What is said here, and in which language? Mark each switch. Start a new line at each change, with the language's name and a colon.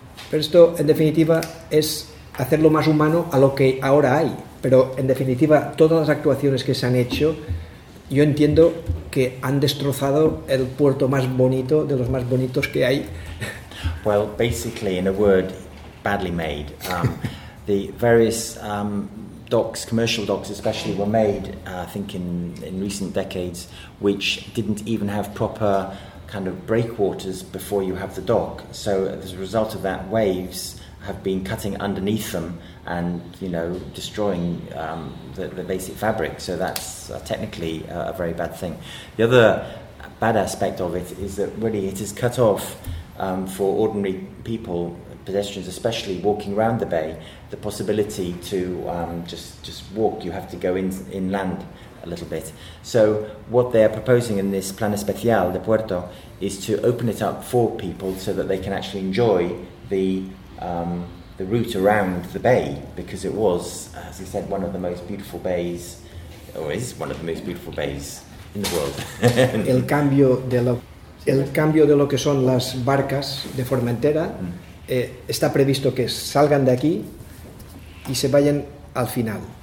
Spanish: Pero esto, en definitiva, es hacerlo más humano a lo que ahora hay. pero en definitiva todas las actuaciones que se han hecho, yo entiendo que han destrozado el puerto más bonito, de los más bonitos que hay.
English: Well, basically, in a word, badly made. The various docks, commercial docks especially, were made, I think, in recent decades, which didn't even have proper kind of breakwaters before you have the dock. So as a result of that, waves have been cutting underneath them and, you know, destroying the basic fabric. So that's technically a very bad thing. The other bad aspect of it is that really it is cut off for ordinary people, pedestrians especially, walking around the bay, the possibility to just walk. You have to go inland a little bit. So what they are proposing in this Plan Especial de Puerto is to open it up for people so that they can actually enjoy the route around the bay, because it was, as I said, one of the most beautiful bays, or is one of the most beautiful bays in the world.
Spanish: El cambio de lo que son las barcas de Formentera está previsto que salgan de aquí y se vayan al final.